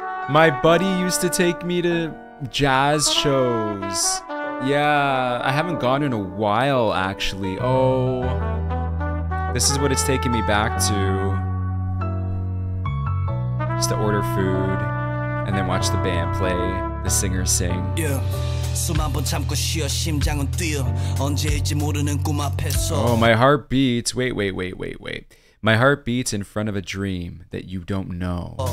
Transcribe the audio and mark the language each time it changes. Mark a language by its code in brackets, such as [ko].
[en] My buddy used to take me to jazz shows. Yeah, I haven't gone in a while, actually. Oh, this is what it's taking me back to. Just to order food and then watch the band play, the singer sing. Yeah. [ko] 숨 한번 참고 쉬어 심장은 뛰어 언제일지 모르는 꿈 앞에서. [en] Oh, my heart beats. Wait. My heart beats in front of a dream that you don't know.